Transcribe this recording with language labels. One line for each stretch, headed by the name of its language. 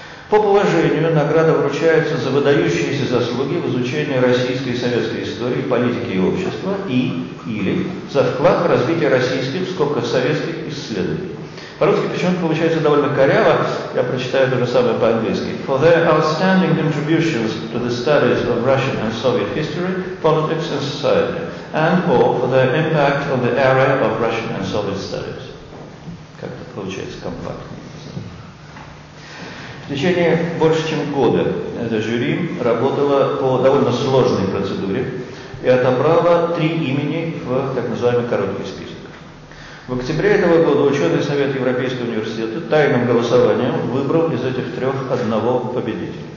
Russian: По положению награда вручается за выдающиеся заслуги в изучении российской и советской истории, политики и общества и или за вклад в развитие российских, в скобках советских, исследований. По-русски почему-то получается довольно коряво, я прочитаю то же самое по-английски.
English: For their outstanding contributions to the studies of Russian and Soviet history, politics and society, and or for their impact on the area of Russian and Soviet studies.
Russian: Как-то получается компактно. В течение больше чем года это жюри работало по довольно сложной процедуре и отобрало три имени в так называемый короткий список. В октябре этого года ученый совет Европейского университета тайным голосованием выбрал из этих трех одного победителя.